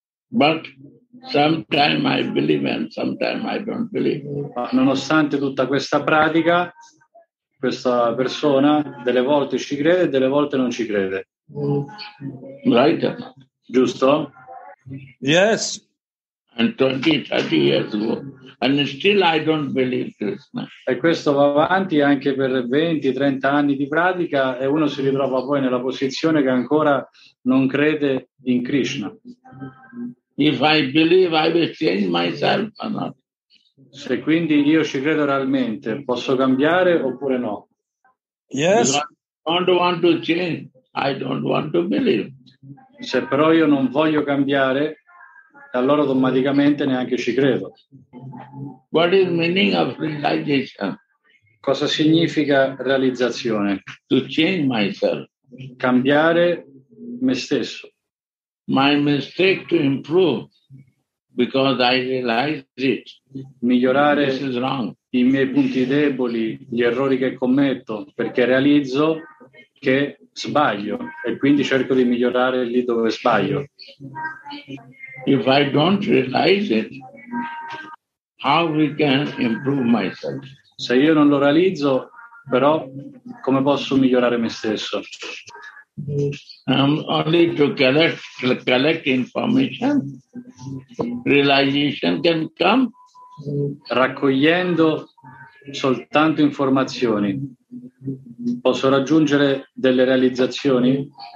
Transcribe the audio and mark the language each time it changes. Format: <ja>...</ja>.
<en>But sometimes I believe and sometimes I don't believe.</en> <it>Ma nonostante tutta questa pratica, questa persona delle volte ci crede e delle volte non ci crede.</it> <en>Right?</en> <it>Giusto?</it> <en>Yes. And 20, 30 years ago, and still I don't believe Krishna.</en> <it>E questo va avanti anche per 20, 30 anni di pratica e uno si ritrova poi nella posizione che ancora non crede in Krishna.</it> <en>If I believe, I will change myself or not.</en> <it>Se quindi io ci credo realmente, posso cambiare oppure no?</it> <en>Yes. If I don't want to change, I don't want to believe.</en> <it>Se però io non voglio cambiare, allora automaticamente neanche ci credo.</it> <en>What is meaning of realization?</en> <it>Cosa significa realizzazione?</it> <en>To change myself.</en> <it>Cambiare me stesso.</it> <en>My mistake to improve because I realize it.</en> <it>Migliorare i miei punti deboli, gli errori che commetto, perché realizzo che sbaglio e quindi cerco di migliorare lì dove sbaglio.</it> <en>If I don't realize it, how we can improve myself?</en> <it>Se io non lo realizzo, però come posso migliorare me stesso?</it> <en>Only to collect information, realization can come.</en> <it>Raccogliendo soltanto informazioni, posso raggiungere delle realizzazioni?</it>